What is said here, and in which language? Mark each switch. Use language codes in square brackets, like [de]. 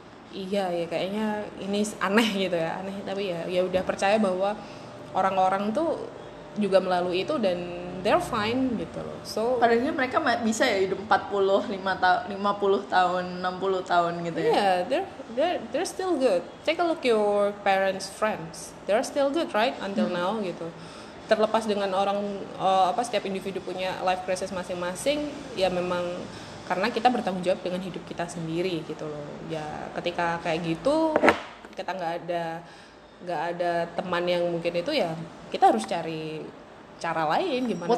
[id] iya ya kayaknya ini aneh gitu ya, aneh, tapi ya ya udah percaya bahwa orang-orang tuh juga melalui itu dan [en] they're fine [id] gitu loh. So padahalnya mereka bisa ya hidup 40, 50 tahun, 60 tahun gitu ya. [en] Yeah, they're still good. Take a look your parents' friends. They're still good, right? Until now gitu. [id] Terlepas dengan orang apa setiap individu punya life crisis masing-masing, ya memang karena kita bertanggung jawab dengan hidup kita sendiri gitu loh. Ya ketika kayak gitu kita enggak ada teman yang mungkin itu ya kita harus cari cara lain gimana